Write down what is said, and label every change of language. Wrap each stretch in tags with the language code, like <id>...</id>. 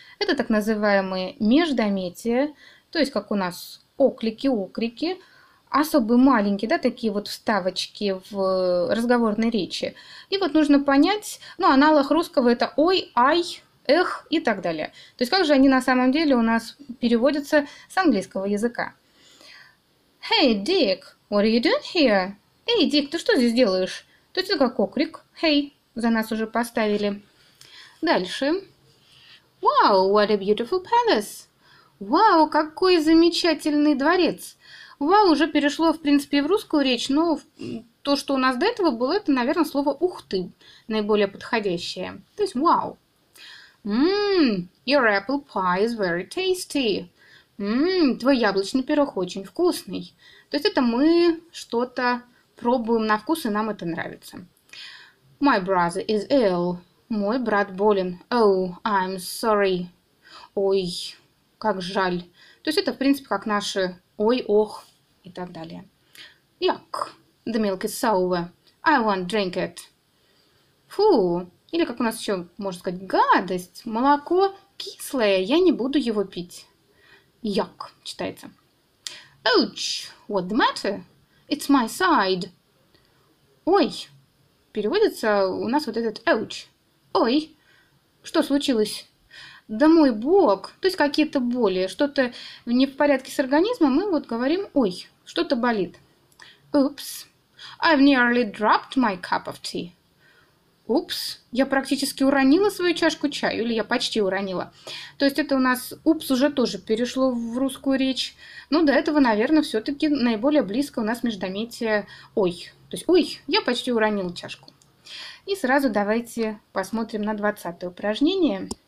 <ru>Это так называемые междометия, то есть как у нас оклики, окрики. Особые маленькие, да, такие вот вставочки в разговорной речи. И вот нужно понять, ну, аналог русского это ой, ай, эх и так далее. То есть как же они на самом деле у нас переводятся с английского языка.</ru> <en>Hey, Dick, what are you doing here?</en> <ru>Эй, Дик, ты что здесь делаешь? То есть это как окрик. Hey, за нас уже поставили. Дальше.</ru> <en>Wow, what a beautiful palace.</en> <ru>Вау, какой замечательный дворец. Вау, уже перешло, в принципе, в русскую речь, но то, что у нас до этого было, это, наверное, слово «ух ты» наиболее подходящее. То есть «вау».</ru> <en>Mmm, your apple pie is very tasty.</en> <ru>Mmm, твой яблочный пирог очень вкусный. То есть это мы что-то пробуем на вкус, и нам это нравится.</ru> <en>My brother is ill.</en> <ru>Мой брат болен.</ru> <en>Oh, I'm sorry.</en> <ru>Ой, как жаль. То есть это, в принципе, как наши «ой», «ох» и так далее.</ru> <en>Yuck, the milk is sour. I won't drink it.</en> <ru>Фу, или как у нас еще можно сказать, гадость. Молоко кислое, я не буду его пить. Yuck, читается.</ru> <en>Ouch, what the matter? It's my side.</en> <ru>Ой, переводится у нас вот этот ouch. Ой, что случилось? Да мой бок, то есть какие-то боли, что-то не в порядке с организмом, мы вот говорим, ой, что-то болит.</ru> <en>Oops, I've nearly dropped my cup of tea.</en> <ru>Oops, я практически уронила свою чашку чаю, или я почти уронила. То есть это у нас, oops, уже тоже перешло в русскую речь. Ну, до этого, наверное, все-таки наиболее близко у нас междометие ой. То есть, ой, я почти уронила чашку. И сразу давайте посмотрим на 20-е упражнение.</ru>